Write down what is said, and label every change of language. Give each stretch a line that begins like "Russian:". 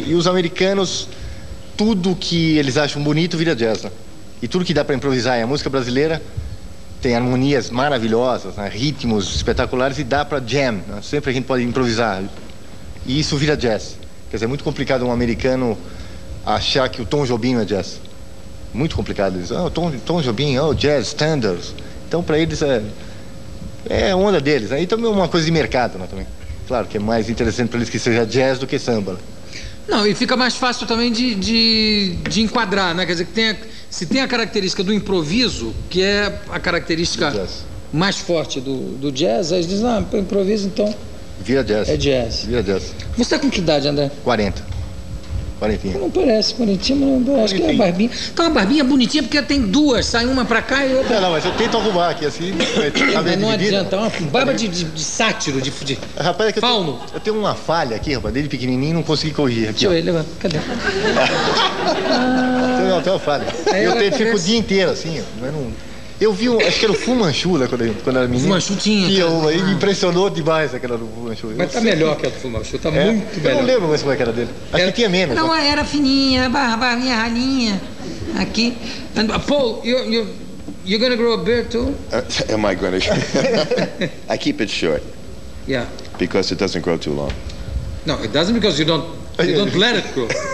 Portuguese: E os americanos, tudo que eles acham bonito vira jazz, né? E tudo que dá para improvisar. E a música brasileira tem harmonias maravilhosas, né, ritmos espetaculares, e dá para jam, né? Sempre a gente pode improvisar. E isso vira jazz. Quer dizer, é muito complicado um americano achar que o Tom Jobim é jazz. Muito complicado. Eles, oh, Tom Jobim, oh, jazz, standards. Então, para eles é... É a onda deles, aí também é uma coisa de mercado, né, também. Claro que é mais interessante para eles que seja jazz do que samba. Não, e fica mais fácil também de enquadrar, né? Quer dizer, que se tem a característica do improviso, que é a característica mais forte do jazz, aí eles dizem, ah, para improviso, então... Vira jazz. É jazz. Vira jazz. Você está com que idade, André? 40. Quarentinha. Não parece quarentinha, mas acho que é uma barbinha. Tá uma barbinha bonitinha porque tem duas, sai uma pra cá e outra. Não, mas eu tento arrumar aqui assim. Não adianta, é uma barba de sátiro, de rapaz, é que fauno. Eu tenho uma falha aqui, rapaz, desde pequenininho não consegui corrigir. Aqui, deixa eu ver, levar. Cadê? Não, tem uma falha. Eu fico o dia inteiro assim, mas não. Eu vi, acho que era o Fu Manchu, né, quando era menino. Fu Manchu tinha. E impressionou demais aquela do Fu Manchu. Mas tá melhor que a do Fu Manchu, tá muito melhor. Eu não lembro mais como é que era dele. Acho que tinha menos. Não, era fininha, barbinha ralinha. Aqui.
English: And, Paul, you're going to grow a beard too? Am I going to? I keep it short. Yeah. Because it doesn't grow too long. No, it doesn't because you don't let it grow.